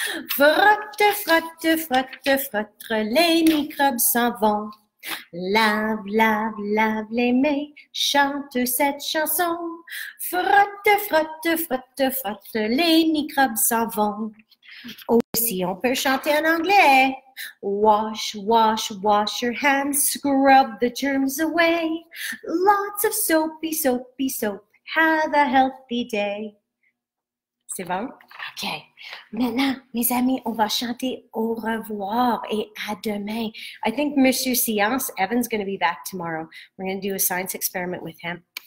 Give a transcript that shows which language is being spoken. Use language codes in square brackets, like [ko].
[fr] Frotte, frotte, frotte, frotte, les microbes s'en vont. Lave, lave, lave les mains, chante cette chanson. Frotte, frotte, frotte, frotte, les microbes s'en vont. Aussi, on peut chanter en anglais. [en] Wash, wash, wash your hands, scrub the germs away. Lots of soapy, soapy, soap. Have a healthy day. [fr] C'est bon? [en] OK. [fr] Maintenant, mes amis, on va chanter au revoir et à demain. [en] I think Monsieur Science, Evan's going to be back tomorrow. We're going to do a science experiment with him.